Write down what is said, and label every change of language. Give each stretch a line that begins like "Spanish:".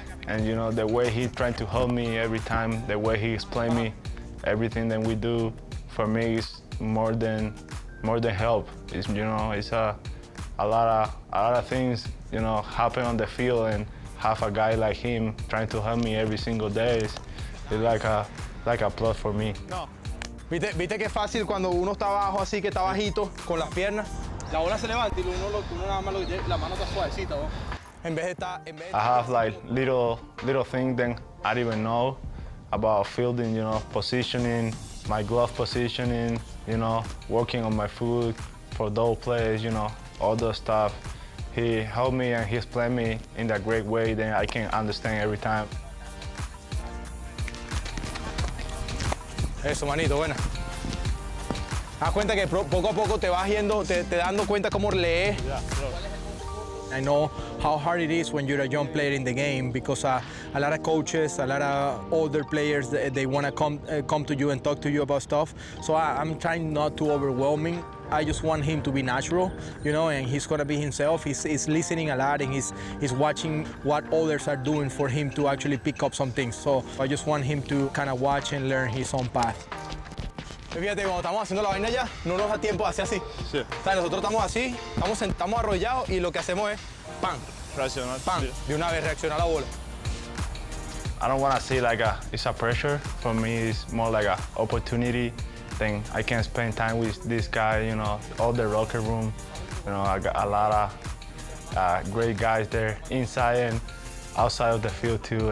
English: And, you know, the way he tried to help me every time, the way he explained me everything that we do, for me is more than help. It's, you know, it's a lot of things, you know, happen on the field, and have a guy like him trying to help me every single day is like a plus for me.
Spanish: No. Viste que fácil cuando uno está abajo así que está bajito con las piernas, la bola se levanta y uno nada más la mano está suavecita.
English: I have like little things that I didn't even know about fielding, you know, positioning, my glove positioning, you know, working on my foot for double plays, you know, all the stuff. He helped me and he explained me in that great way that I can understand every time.
Spanish: Eso, manito, bueno. Haz cuenta que poco a poco te vas yendo, te dando cuenta cómo lees.
English: I know how hard it is when you're a young player in the game because a lot of coaches, a lot of older players, they want to come to you and talk to you about stuff. So I'm trying not to overwhelm him. I just want him to be natural, you know, and he's going to be himself. He's listening a lot and he's watching what others are doing for him to actually pick up some things. So I just want him to kind of watch and learn his own path.
Spanish: Fíjate, cuando estamos haciendo la vaina ya, no nos da tiempo hacer así. Sí. O sea, nosotros estamos así, estamos arrollados y lo que hacemos es ¡pam! Reaccionar. ¡Pam! De una vez reacciona la bola.
English: I don't want to see like a, it's a pressure. For me, it's more like a opportunity. Then I can spend time with this guy, you know, all the locker room. You know, I got a lot of great guys there inside and outside of the field too.